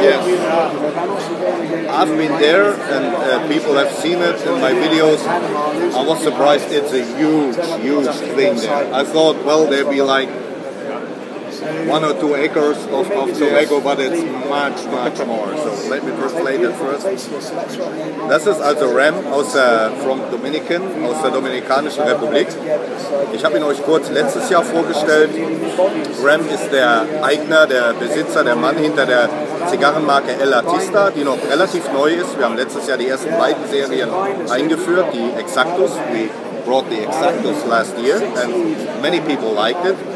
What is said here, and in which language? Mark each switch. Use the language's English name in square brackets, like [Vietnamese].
[English] Yes. I've been there, and people have seen it in my videos. I was surprised. It's a huge, huge thing there. I thought, well, there'd be like 1 or 2 acres of tobacco, but it's much, much more. So let me translate it first. [German] Das ist also Ram aus der Dominikanischen Republik. Ich habe ihn euch kurz letztes Jahr vorgestellt. Ram ist der Eigner, der Besitzer, der Mann hinter der Zigarrenmarke El Artista, die noch relativ neu ist. Wir haben letztes Jahr die ersten beiden Serien eingeführt, die Exactus. [English] We brought the Exactus last year and many people liked it.